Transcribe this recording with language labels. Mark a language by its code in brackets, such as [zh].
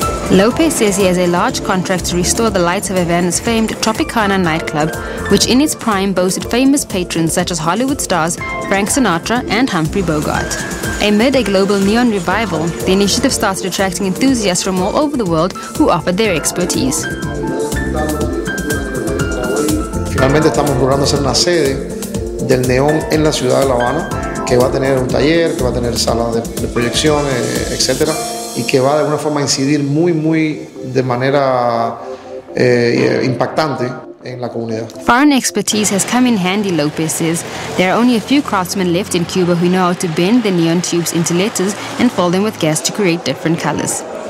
[en] Lopez says he has a large contract to restore the lights of Havana's famed Tropicana nightclub, which in its prime boasted famous patrons such as Hollywood stars Frank Sinatra and Humphrey Bogart. Amid a global neon revival, the initiative started attracting enthusiasts from all over the world who offered their expertise. [es] Finalmente estamos logrando hacer una sede del neón en la ciudad de La Habana, que va a tener un taller, que va a tener sala de proyecciones, etc. y que va de alguna forma a incidir muy, muy de manera impactante en la comunidad. [en] Foreign expertise has come in handy, Lopez says. There are only a few craftsmen left in Cuba who know how to bend the neon tubes into letters and fill them with gas to create different colors.